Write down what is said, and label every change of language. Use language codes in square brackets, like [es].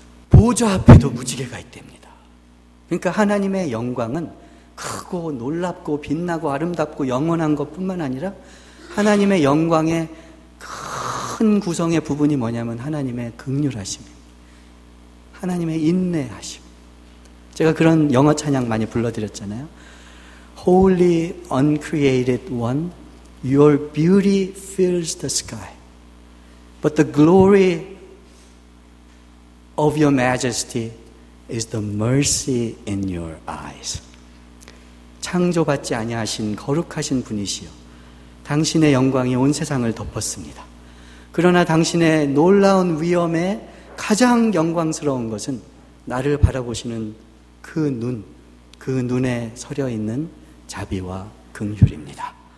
[ko] 보좌 앞에도 무지개가 있답니다. 그러니까 하나님의 영광은 크고 놀랍고 빛나고 아름답고 영원한 것뿐만 아니라 하나님의 영광의 큰 구성의 부분이 뭐냐면 하나님의 긍휼하심, 하나님의 인내하심. 제가 그런 영어 찬양 많이 불러드렸잖아요. [en] Holy uncreated one, your beauty fills the sky, but the glory of your majesty is the mercy in your eyes. [ko] 창조받지 아니하신 거룩하신 분이시여 당신의 영광이 온 세상을 덮었습니다. 그러나 당신의 놀라운 위엄에 가장 영광스러운 것은 나를 바라보시는 그 눈, 그 눈에 서려 있는 자비와 긍휼입니다.